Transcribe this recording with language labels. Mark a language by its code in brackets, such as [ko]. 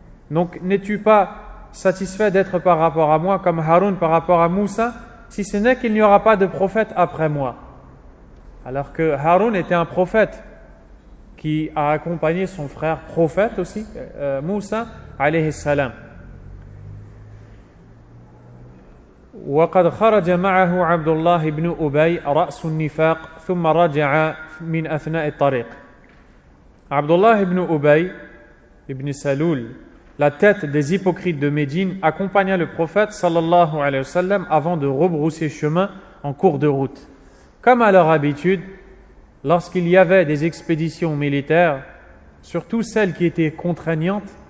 [fr] Donc n'es-tu pas satisfait d'être par rapport à moi comme Haroun par rapport à Moussa, si ce n'est qu'il n'y aura pas de prophète après moi? Alors que Haroun était un prophète qui a accompagné son frère prophète aussi, Moussa alayhi salam. [ar] وقد خرج معه عبد الله بن أبي رأس النفاق ثم رجع من أثناء الطريق. [fr] عبد الله بن أبي بن سلول, la tête des hypocrites de Médine, accompagna le prophète sallallahu alayhi wa sallam avant de rebrousser chemin en cours de route. Comme à leur habitude, lorsqu'il y avait des expéditions militaires, surtout celles qui étaient contraignantes,